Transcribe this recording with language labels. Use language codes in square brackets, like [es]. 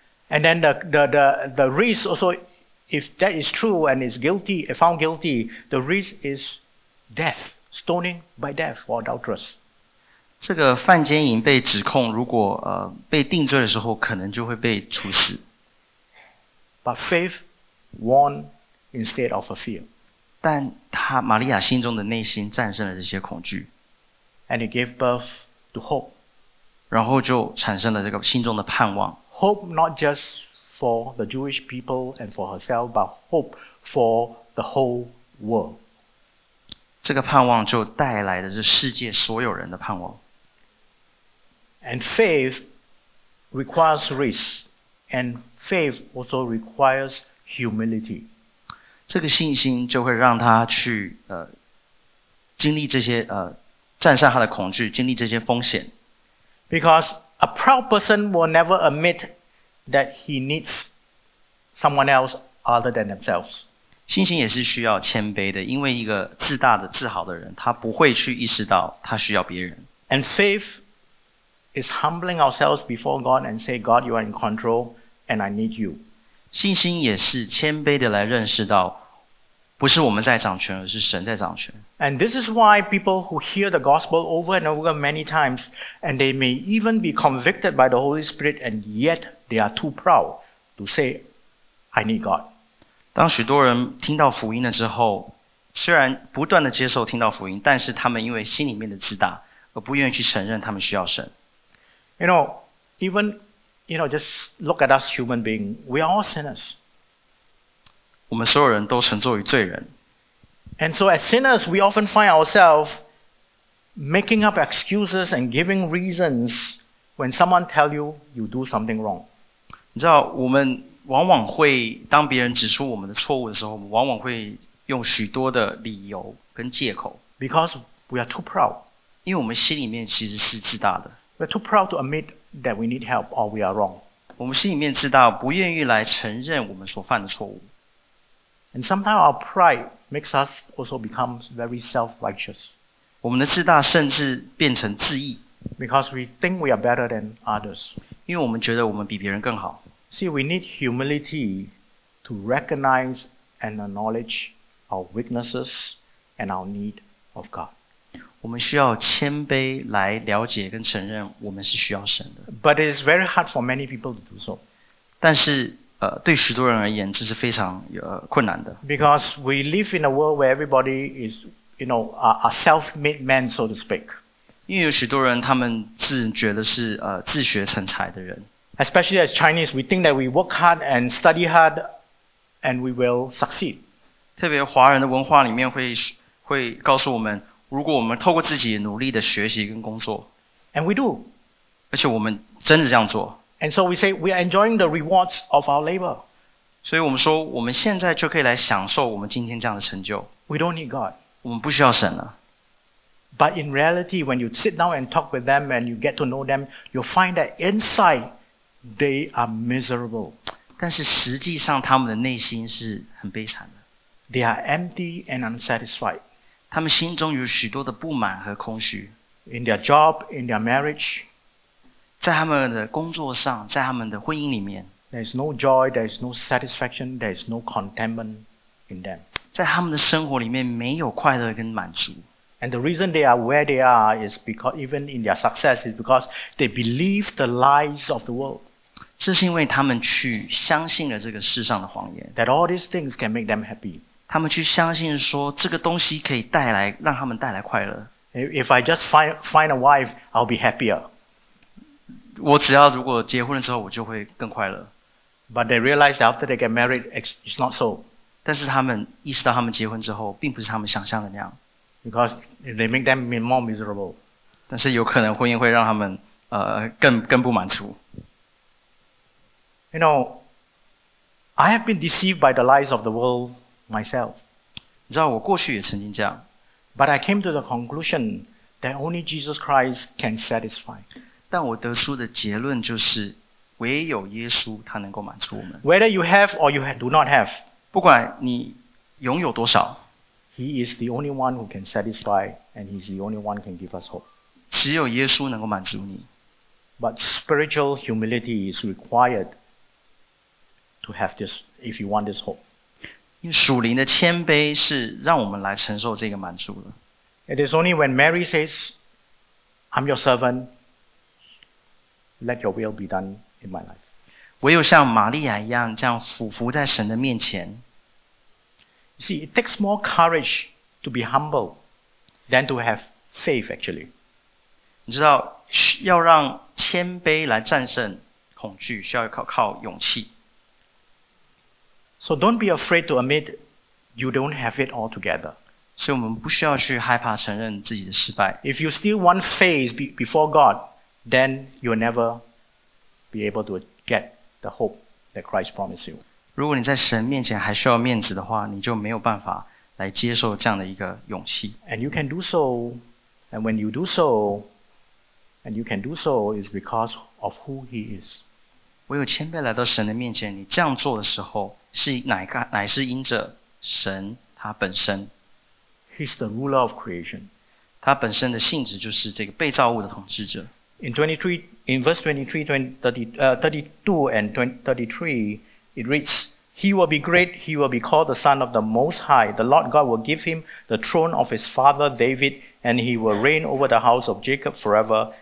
[en] And then the risk also, if that is true and is guilty, if found guilty, the risk is death. Stoning by death or adulterous. [zh] 这个犯奸淫被指控，如果被定罪的时候，可能就会被处死。 [en] But faith won instead of a fear. [zh] 但他玛利亚心中的内心战胜了这些恐惧。 [en] And it gave birth to hope. [zh] 然后就产生了这个心中的盼望。 [en] Hope not just for the Jewish people and for herself, but hope for the whole world. [zh] 这个盼望就带来的是世界所有人的盼望。 [en] And faith requires risk, and faith also requires humility. [zh] 这个信心就会让他去经历这些战胜他的恐惧，经历这些风险。 [en] Because a proud person will never admit that he needs someone else other than themselves. [zh] 信心也是需要谦卑的，因为一个自大的自豪的人，他不会去意识到他需要别人。 [en] And faith is humbling ourselves before God and say, God, you are in control and I need you. [zh] 信心也是谦卑的来认识到，不是我们在掌权，而是神在掌权。 [en] And this is why people who hear the gospel over and over many times, and they may even be convicted by the Holy Spirit, and yet they are too proud to say, I need God. [zh] 当许多人听到福音了之后，虽然不断的接受听到福音，但是他们因为心里面的自大，而不愿意去承认他们需要神。 [en] You know, even, you know, just look at us human beings, we are all sinners. [zh] 我们所有人都称作于罪人。 [en] And so as sinners, we often find ourselves making up excuses and giving reasons when someone tells you you do something wrong. [zh] 你知道，我们往往会当别人指出我们的错误的时候，我们往往会用许多的理由跟借口。 [en] Because we are too proud. [zh] 因为我们心里面其实是自大的。 [en] We're too proud to admit that we need help or we are wrong. [zh] 我们心里面自大，不愿意来承认我们所犯的错误。 [en] And sometimes our pride makes us also become very self-righteous. [zh] 我们的自大甚至变成自义。 [en] Because we think we are better than others. [zh] 因为我们觉得我们比别人更好。 [en] See, we need humility to recognize and acknowledge our weaknesses and our need of God. [zh] 我们需要谦卑来了解跟承认我们是需要神的。 [en] But it is very hard for many people to do so. [zh] 但是对许多人而言这是非常困难的。 [en] Because we live in a world where everybody is, you know, a self-made man, so to speak. [zh] 因为有许多人他们自觉得是自学成才的人。 [en] Especially as Chinese, we think that we work hard and study hard and we will succeed. [zh] 特别华人的文化里面会告诉我们如果我们透过自己努力的学习跟工作 [en] ，and we do， [zh] 而且我们真的这样做 [en] ，and so we say we are enjoying the rewards of our labor， [zh] 所以我们说我们现在就可以来享受我们今天这样的成就 [en] ，we don't need God， [zh] 我们不需要神了 [en] ，but in reality when you sit down and talk with them and you get to know them， you'll find that inside they are miserable， [zh] 但是实际上他们的内心是很悲惨的 [en] ，they are empty and unsatisfied。 [zh] 他们心中有许多的不满和空虚。 [en] In their job, in their marriage, [zh] 在他们的工作上，在他们的婚姻里面 [en] ，there is no joy, there is no satisfaction, there is no contentment in them. [zh] 在他们的生活里面没有快乐跟满足。 [en] And the reason they are where they are is because even in their success is because they believe the lies of the world. [zh] 这是因为他们去相信了这个世上的谎言。 [en] That all these things can make them happy. [zh] 他们去相信说这个东西可以带来让他们带来快乐。 [en] If I just find a wife, I'll be happier. [zh] 我只要如果结婚了之后我就会更快乐。 [en] But they realize that after they get married, it's not so. [zh] 但是他们意识到他们结婚之后并不是他们想象的那样。 [en] Because they make them more miserable. [zh] 但是有可能婚姻会让他们更不满足。 [en] You know, I have been deceived by the lies of the world. Myself. [zh] 你知道我过去也曾经这样。 [en] But I came to the conclusion that only Jesus Christ can satisfy. [zh] 但我得出的结论就是唯有耶稣他能够满足我们。 [en] Whether you have or you do not have. [zh] 不管你拥有多少。 [en] He is the only one who can satisfy and he is the only one who can give us hope. [zh] 只有耶稣能够满足你。 [en] But spiritual humility is required to have this, if you want this hope. [zh] 因为属灵的谦卑是让我们来承受这个满足的。 [en] It is only when Mary says, "I'm your servant, let your will be done in my life." [zh] 唯有像玛利亚一样这样俯伏在神的面前。 [en] You see, it takes more courage to be humble than to have faith. Actually, [zh] 你知道要让谦卑来战胜恐惧，需要靠勇气。 [en] So don't be afraid to admit you don't have it all together. [zh] 所以我们不需要去害怕承认自己的失败。 [en] If you still want faith before God, then you'll never be able to get the hope that Christ promised you. [zh] 如果你在神面前还需要面子的话，你就没有办法来接受这样的一个勇气。 [en] And you can do so, and when you do so, and you can do so is because of who He is. [zh] 唯有谦卑来到神的面前，你这样做的时候，是乃是因着神他本身。 [en] He's the ruler of creation. [zh] 他本身的性质就是这个被造物的统治者。 [en] In verse 32 and 33, it reads, "He will be great. He will be called the Son of the Most High. The Lord God will give him the throne of his father David, and he will reign over the house of Jacob forever.